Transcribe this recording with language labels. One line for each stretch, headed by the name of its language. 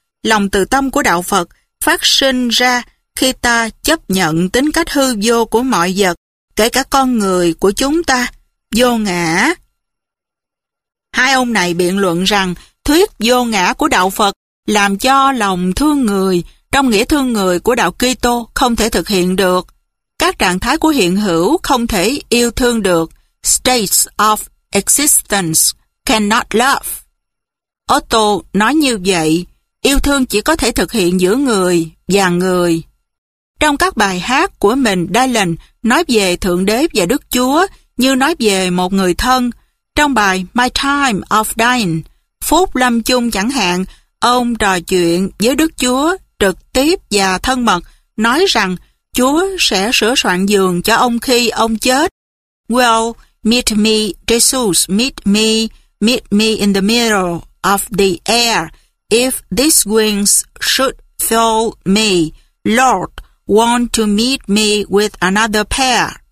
Vietnamese: Lòng từ tâm của đạo Phật phát sinh ra khi ta chấp nhận tính cách hư vô của mọi vật, kể cả con người của chúng ta, vô ngã. Hai ông này biện luận rằng thuyết vô ngã của đạo Phật làm cho lòng thương người trong nghĩa thương người của đạo Kitô không thể thực hiện được. Các trạng thái của hiện hữu không thể yêu thương được.
English: States of existence cannot love.
Vietnamese: Otto nói như vậy, yêu thương chỉ có thể thực hiện giữa người và người. Trong các bài hát của mình, Dylan nói về Thượng Đế và Đức Chúa như nói về một người thân. Trong bài My Time of Dying, phút lâm chung chẳng hạn, ông trò chuyện với Đức Chúa trực tiếp và thân mật, nói rằng Chúa sẽ sửa soạn giường cho ông khi ông chết.
English: Well, meet me, Jesus, meet me in the middle of the air. If these wings should fail me, Lord, want to meet me with another pair.